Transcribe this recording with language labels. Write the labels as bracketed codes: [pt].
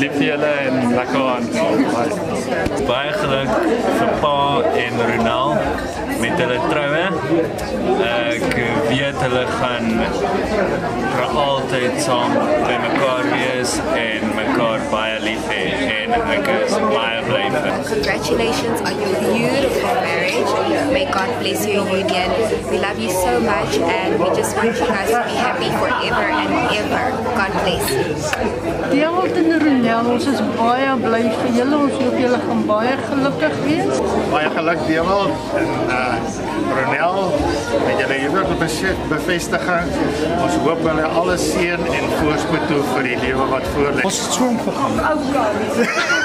[af] Lief vir julle en lekker aan. Baie geluk vir Pa en Ronel met hulle troue. Ek weet hulle gaan vir altyd saam by mekaar wees en mekaar baie lief hê, en ek is baie bly vir. [en] Congratulations on your beautiful marriage. May God bless your union. We love you so much, and we just want you guys to be happy forever and ever. God bless you. [af] Dewald en Ronel, ons is baie bly vir julle. Ons hoop julle gaan baie gelukkig wees. Baie geluk, Dewald en Ronel, met julle huwelik bevestiging. Ons hoop julle alles seën en voorspoed toe vir die lewe wat voor lê. Ons het so gegaan.